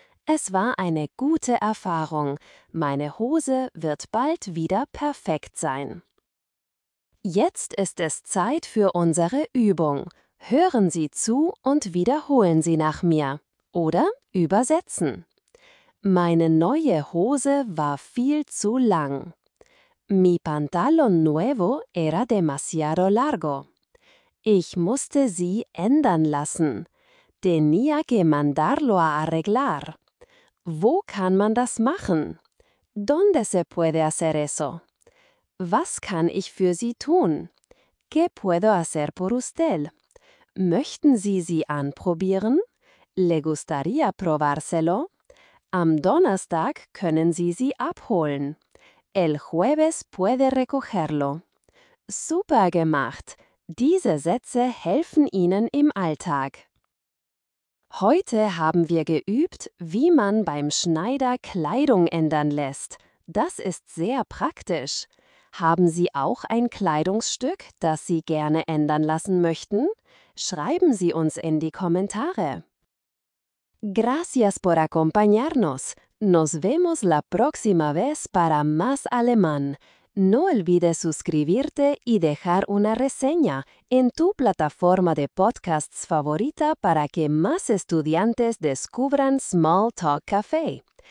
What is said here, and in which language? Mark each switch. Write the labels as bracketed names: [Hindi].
[German] Es war eine gute Erfahrung. Meine Hose wird bald wieder perfekt sein. Jetzt ist es Zeit für unsere Übung. Hören Sie zu und wiederholen Sie nach mir oder übersetzen. Meine neue Hose war viel zu lang. [Spanish] Mi pantalón nuevo era demasiado largo. [German] Ich musste sie ändern lassen. [Spanish] Tenía que mandarlo a arreglar. [German] Wo kann man das machen? [Spanish] ¿Dónde se puede hacer eso? [German] Was kann ich für Sie tun? [Spanish] ¿Qué puedo hacer por usted? [German] Möchten Sie sie anprobieren? [Spanish] ¿Le gustaría probárselo? [German] Am Donnerstag können Sie sie abholen. [Spanish] El jueves puede recogerlo. [German] Super gemacht! Diese Sätze helfen Ihnen im Alltag. Heute haben wir geübt, wie man beim Schneider Kleidung ändern lässt. Das ist sehr praktisch. Haben Sie auch ein Kleidungsstück, das Sie gerne ändern lassen möchten? Schreiben Sie uns in die Kommentare. [Spanish] Gracias por acompañarnos. Nos vemos la próxima vez para más alemán. No olvides suscribirte y dejar una reseña en tu plataforma de podcasts favorita para que más estudiantes descubran Small Talk Café.